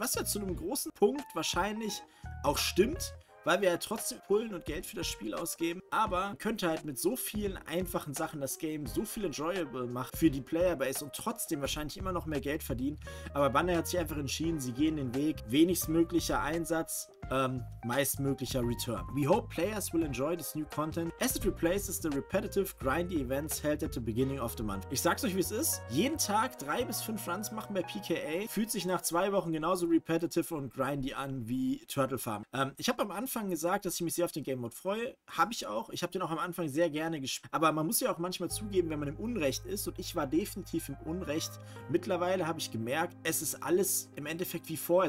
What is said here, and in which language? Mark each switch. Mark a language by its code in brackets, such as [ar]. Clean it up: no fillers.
[de] Was ja zu einem großen Punkt wahrscheinlich auch stimmt, weil wir ja trotzdem pullen und Geld für das Spiel ausgeben. Aber man könnte halt mit so vielen einfachen Sachen das Game so viel enjoyable machen für die Playerbase und trotzdem wahrscheinlich immer noch mehr Geld verdienen. Aber Bandai hat sich einfach entschieden, sie gehen den Weg. Wenigstmöglicher Einsatz, meistmöglicher Return. [en] We hope players will enjoy this new content as it replaces the repetitive grindy events held at the beginning of the month. [de] Ich sag's euch, wie es ist. Jeden Tag 3-5 Runs machen bei PKA. Fühlt sich nach 2 Wochen genauso repetitive und grindy an wie Turtle Farm. Ich habe am Anfang gesagt, dass ich mich sehr auf den Game Mode freue. Habe ich auch. Ich habe den auch am Anfang sehr gerne gespielt. Aber man muss ja auch manchmal zugeben, wenn man im Unrecht ist. Und ich war definitiv im Unrecht. Mittlerweile habe ich gemerkt, es ist alles im Endeffekt wie vorher.